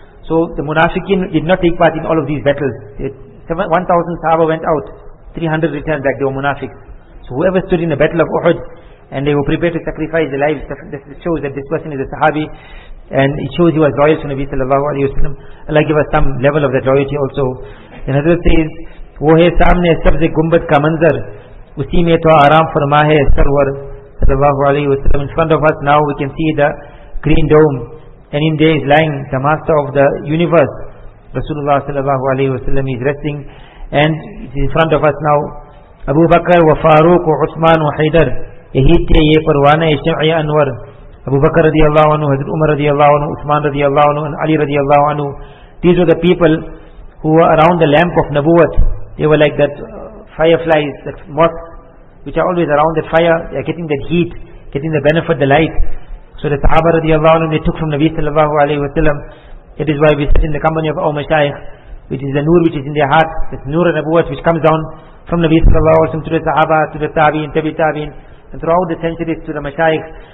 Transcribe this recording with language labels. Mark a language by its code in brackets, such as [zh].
[en] So the Munafiqeen did not take part in all of these battles. 1,000 Sahaba went out, 300 returned back, they were Munafiqs. So whoever stood in the battle of Uhud and they were prepared to sacrifice their lives, this shows that this person is a Sahabi, and it shows he was loyal to Nabi Sallallahu Alaihi Wasallam. Allah give us some level of that loyalty also. And Hazrat says, [ur] وہ ہے سامنے سبز گنبد کا منظر اسی میں تو آرام فرما ہے سرور صلی اللہ علیہ وسلم. [en] In front of us now we can see the green dome, and in there is lying the master of the universe, Rasulullah صلی اللہ علیہ وسلم is resting, and it is in front of us now. [ur] Abu Bakr و فاروق و عثمان و حیدر یہی تھے یہ پروانہ شمع انور. [en] Abu Bakr رضی اللہ عنہ, حضرت عمر رضی اللہ عنہ, عثمان رضی اللہ عنہ, and علی رضی اللہ عنہ, these are the people who were around the lamp of Nabuwat. They were like that fireflies, that moths, which are always around that fire. They are getting that heat, getting the benefit, the light. So the Sahaba radiallahu anhu, they took from Nabi sallallahu alayhi wa sallam. It is why we sit in the company of our mashayikh, which is the nur which is in their heart. That nur and Nabuwat which comes down from Nabi sallallahu alayhi wa sallam to the Sahaba, to the Tabi'in, Tabi Tabi'in, and throughout the centuries to the mashayikh.